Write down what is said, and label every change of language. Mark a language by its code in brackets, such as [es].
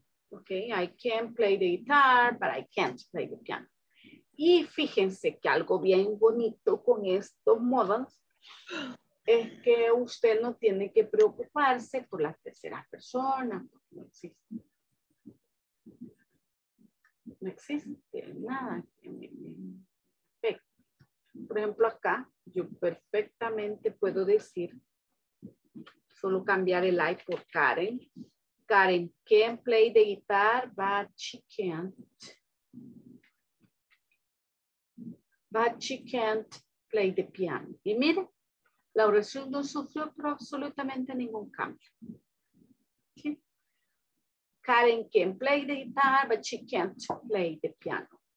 [en] Okay, I can play the guitar, but I can't play the piano. [es] Y fíjense que algo bien bonito con estos modos es que usted no tiene que preocuparse por las terceras personas. No existe. No existe nada que me afecte. Por ejemplo, acá yo perfectamente puedo decir, solo cambiar el I por Karen. [en] Karen can play the guitar, but she can't. But she can't play the piano. [es] Y mire, la oración no sufrió por absolutamente ningún cambio. ¿Sí? [en] Karen can play the guitar, but she can't play the piano.